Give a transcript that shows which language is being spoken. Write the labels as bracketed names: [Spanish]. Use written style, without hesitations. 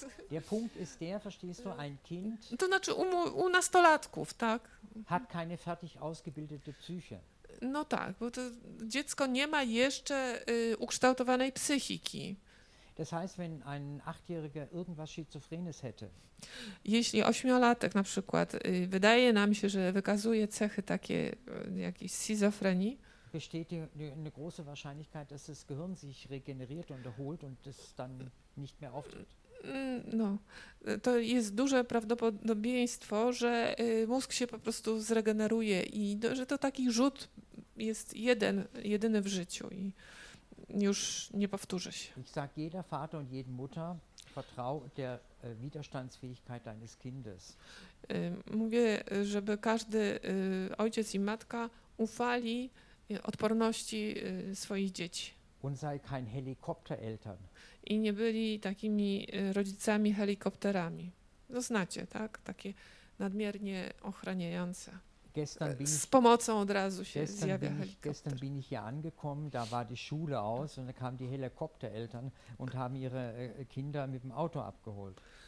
[German] Der Punkt ist der, verstehst du, ein Kind [Polish] to znaczy u nastolatków, tak? [German] Hat keine fertig ausgebildete Psyche. [Polish] No tak, bo to dziecko nie ma jeszcze ukształtowanej psychiki. [German] Das heißt, wenn ein Achtjähriger irgendwas Schizophrenes hätte. [Polish] Jeśli ośmiolatek na przykład wydaje nam się, że wykazuje cechy takie jakiejś schizofrenii, [German] besteht eine große Wahrscheinlichkeit, dass das Gehirn sich regeneriert und erholt und es dann nicht mehr auftritt. [Polish] No, to jest duże prawdopodobieństwo, że mózg się po prostu zregeneruje i że to taki rzut jest jedyny w życiu i już nie powtórzy się. [German] Ich sag jeder Vater und jede Mutter, vertrau der Widerstandsfähigkeit deines Kindes. [Polish] Mówię, żeby każdy ojciec i matka ufali odporności swoich dzieci. [German] Und sei kein Helikoptereltern. [Polish] I nie byli takimi rodzicami helikopterami. No znacie, tak? Takie nadmiernie ochraniające. Z pomocą od razu się zjawia helikopter. [German] Gestern bin ich hier angekommen, da war die Schule aus und da kamen die Helikoptereltern und haben ihre Kinder mit dem Auto abgeholt.